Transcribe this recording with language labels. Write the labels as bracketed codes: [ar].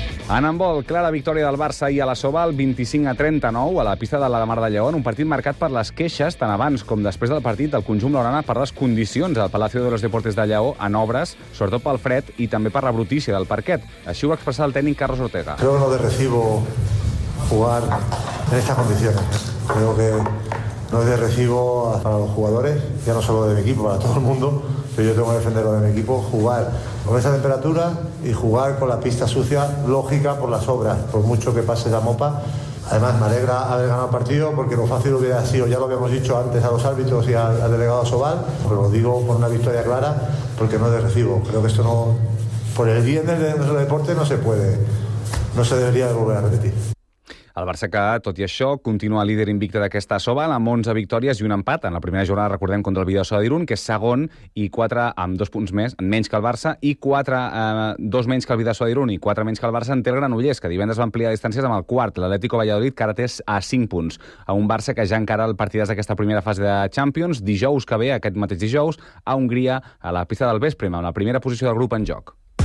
[ca] En handbol, clara victòria del Barça i a la Sobal, 25-39, a la pista de la Mar de León, un partit marcat per les queixes, tant abans com després del partit, del conjunt blaugrana per les condicions del Palacio de los Deportes de Lleó en obres, sobretot pel fred i també per la brutícia del parquet. Així ho va expressar el tècnic Carlos Ortega. [es] Creo que no de recibo jugar en estas condiciones. Creo que no es de recibo para los jugadores, ya no solo del equipo, para todo el mundo. Yo tengo que defender lo de mi equipo, jugar con esa temperatura y jugar con la pista sucia, lógica, por las obras, por mucho que pase la mopa. Además, me alegra haber ganado el partido, porque lo fácil hubiera sido, ya lo habíamos dicho antes a los árbitros y al delegado Sobal, pero lo digo con una victoria clara, porque no es de recibo. Creo que esto no, por el bien del deporte, no se debería de volver a repetir. [ca] El Barça, que, tot i això, continua líder invicte d'aquesta Sobal amb 11 victòries i un empat. En la primera jornada, recordem, contra el Vidasoa d'Irun, que és segon i 4 amb 2 punts més, menys que el Barça, i 2 menys que el Vidasoa d'Irun i 4 menys que el Barça en té el Granollers, que divendres va ampliar distàncies amb el quart. L'Atlético Valladolid, que ara té a 5 punts. A un Barça que ja encara el partit és d'aquesta primera fase de Champions, dijous que ve, aquest mateix dijous, a Hongria, a la pista del vespre, amb la primera posició del grup en joc.